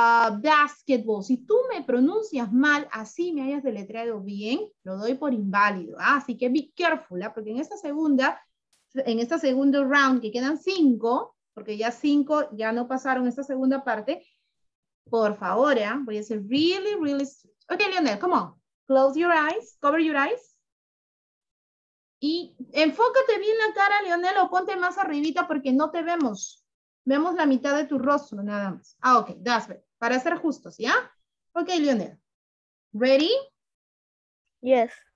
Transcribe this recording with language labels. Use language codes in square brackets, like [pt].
[es] Basketball, si tú me pronuncias mal, así me hayas deletreado bien, lo doy por inválido, ¿ah? Así que [en] be careful, [es] ¿ah? Porque en esta segunda, en esta segundo round que quedan cinco, porque ya cinco ya no pasaron esta segunda parte, por favor, ¿ah? Voy a ser [en] really, really strict. Ok, Lionel, come on, close your eyes, cover your eyes. [es] Y enfócate bien la cara, Lionel, o ponte más arribita porque no te vemos. Vemos la mitad de tu rostro, nada más. [en] Ah, ok, that's right. [es] Para ser justos, ¿ya? [en] Ok, Lionel. Ready? Yes.